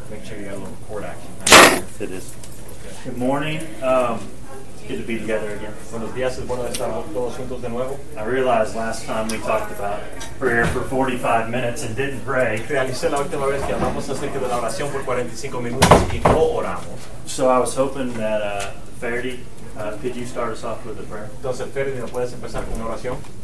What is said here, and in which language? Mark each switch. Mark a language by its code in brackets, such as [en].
[en] Make sure you got a little record action. It is. Okay. Good morning. Good to be together again. [es] Buenos dias. Es bueno estar todos juntos de nuevo. [en] I realized last time we talked about prayer for 45 minutes and didn't pray. [es] Realicé la última vez que hablamos acerca de la oración por 45 minutos y no oramos. [en] So I was hoping that Faraday, could you start us off with a prayer? [es] Entonces, Faraday, ¿no puedes empezar con una oración?